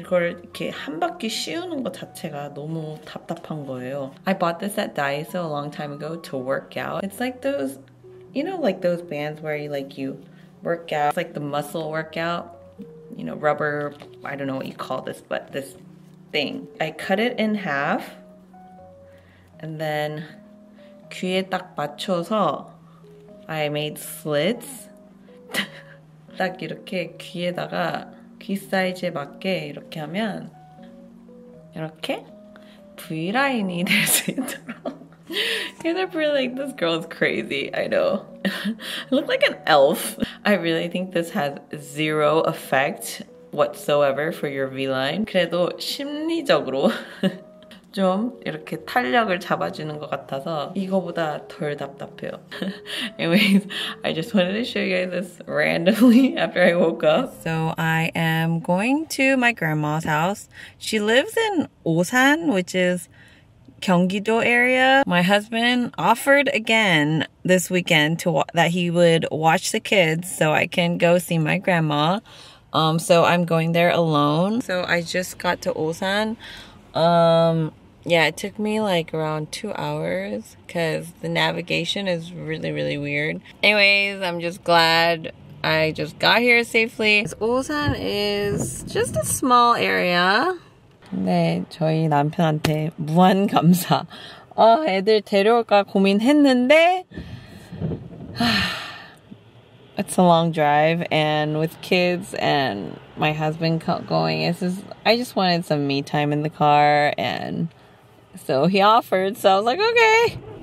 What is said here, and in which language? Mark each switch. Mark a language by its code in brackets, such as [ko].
[ko] 이걸 이렇게 한 바퀴 씌우는 것 자체가 너무 답답한 거예요. [en] I bought this at Daiso a long time ago to work out. It's like those, you know, like those bands where you like you work out. It's like the muscle workout, you know, rubber. I don't know what you call this, but this thing. I cut it in half and then [ko] 귀에 딱 맞춰서 [en] I made slits. [ko] 딱 이렇게 귀에다가 귀 사이즈에 맞게 이렇게 하면 이렇게 V라인이 될 수 있도록. [en] You're probably like, this girl is crazy. I know. I look like an elf. I really think this has zero effect whatsoever for your V-line. [ko] 그래도 심리적으로 좀 이렇게 탄력을 잡아주는 것 같아서 이거보다 덜 답답해요. [en] Anyways, I just wanted to show you guys this randomly after I woke up. So I am going to my grandma's house. She lives in Osan, which is 경기도 area. My husband offered again this weekend to that he would watch the kids so I can go see my grandma. So I'm going there alone. So I just got to Osan. Yeah, it took me like around 2 hours because the navigation is really, really weird. Anyways, I'm just glad I just got here safely. Osan is just a small area. [ko] 네, 저희 남편한테 무한 감사. 애들 데려올까 고민했는데. [en] It's a long drive, and with kids and my husband going, it's just, I just wanted some me time in the car, and so he offered, so I was like, okay.